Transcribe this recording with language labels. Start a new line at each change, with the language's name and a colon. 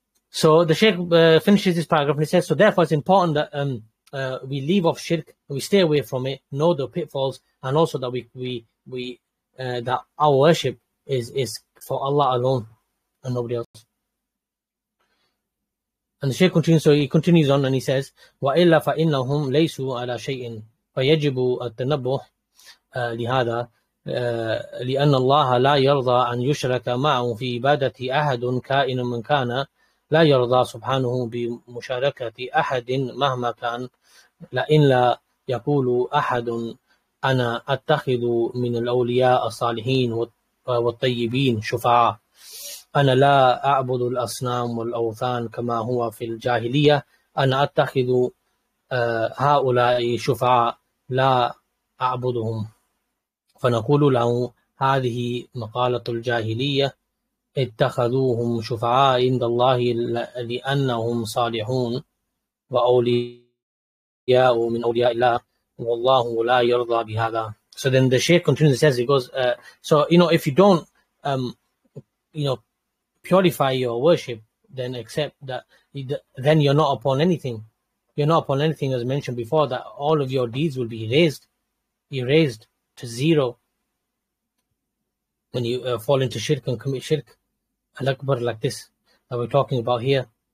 English: So the Shaykh finishes this paragraph and he says, so therefore it's important that we leave off shirk, we stay away from it, know the pitfalls, and also that we that our worship is for Allah alone and nobody else. And the Shaykh continues, so he continues on and he says,
Arabic: وَإِلَّا فَإِنَّهُمْ لَيْسُوا عَلَى شَيْءٍ فَيَجِبُوا التَّنَبُّهُ لِهَذَا لِأَنَّ اللَّهَ لَا يَرْضَى أَنْ يُشْرَكَ مَعُهُ فِي عِبَادَةِ أَحَدٌ كَائِنٌ مِنْ كَانَ لا يرضى سبحانه بمشاركة أحد مهما كان لئن لا يقول أحد أنا أتخذ من الأولياء الصالحين والطيبين شفعاء أنا لا أعبد الأصنام والأوثان كما هو في الجاهلية أنا أتخذ هؤلاء شفعاء لا أعبدهم فنقول له هذه مقالة الجاهلية اتخذوهم شفعاء عند الله لأنهم صالحون وأولياء من أولياء الله والله لا يرضى بهذا.
English: So then the Shaykh continues and says, he goes, so you know, if you don't you know, purify your worship, then accept that, then you're not upon anything. You're not upon anything, as mentioned before, that all of your deeds will be erased to zero when you fall into shirk and commit shirk Al-Akbar like this that we're talking about here.